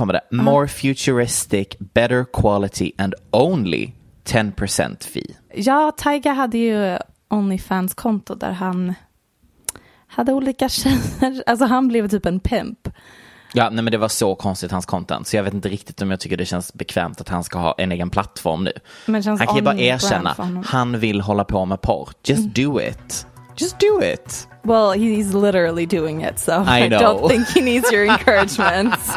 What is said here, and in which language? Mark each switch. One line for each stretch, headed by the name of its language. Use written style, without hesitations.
English: More futuristic, better quality and only 10% fee.
Swedish: Ja, Tyga hade ju OnlyFans-konto där han hade olika tjejer. Alltså han blev typ en pimp. Ja, nej, men det var så konstigt hans content. Så jag vet inte riktigt om jag tycker det känns bekvämt att han ska ha en egen plattform nu. Men han kan ju bara erkänna, han vill hålla på med porr.
English: Just do it. Just do it. Well, he's literally doing it, so I know. I don't think he needs your encouragement.